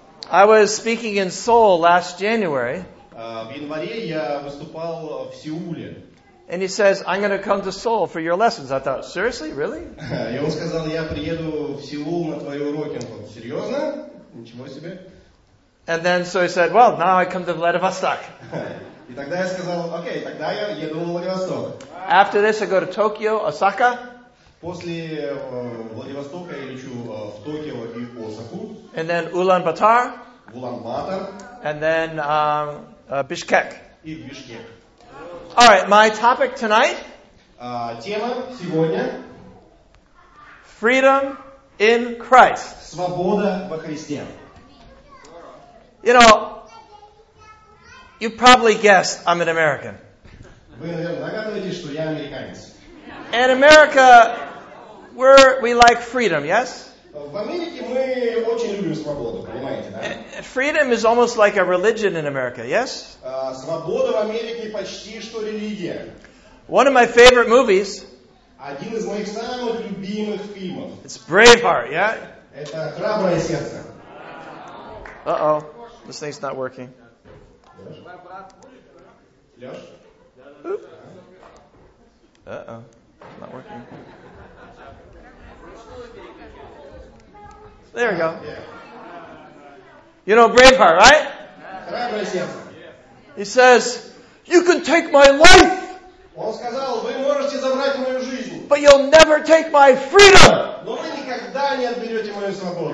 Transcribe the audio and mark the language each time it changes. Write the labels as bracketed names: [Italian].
[English] I was speaking in Seoul last January. [Russian] В январе я выступал в Сеуле. [English] And he says, I'm going to come to Seoul for your lessons. I thought, seriously? Really? [Russian] И он сказал, я приеду в Сеул на твои уроки. Он сказал, серьезно? Ничего себе. [English] And then so he said, well, now I come to Vladivostok. [Russian] И тогда я сказал, окей, тогда я еду в Владивосток. [English] After this, I go to Tokyo, Osaka. [Russian] После Владивостока я лечу в Токио и в Осаку. [English] And then Ulaanbaatar. [Russian] Улан-Батор. [English] And then Bishkek. [Russian] И в Бишкек. [English] All right, my topic tonight. [Russian] Тема сегодня. [English] Freedom in Christ. [Russian] Свобода во Христе. [English] You know, you probably guessed I'm an American. [Russian] Вы, наверное, догадываетесь, что я американец. [English] In America, we like freedom, yes? [Russian] В Америке мы очень любим свободу, понимаете, да? [English] Freedom is almost like a religion in America, yes? [Russian] Свобода в Америке почти что религия. [English] One of my favorite movies. [Russian] Один из моих самых любимых фильмов. [English] It's Braveheart, yeah? [Russian] Это «Храброе сердце». [English] Uh-oh. This thing's not working. Leš? Uh-oh. Not working. There we go. Yeah. You know Braveheart, right? Yeah. He says, you can take my life. [Russian] Он сказал, вы можете забрать мою жизнь. [English] But you'll never take my freedom. [Russian] Но вы никогда не отберете мою свободу.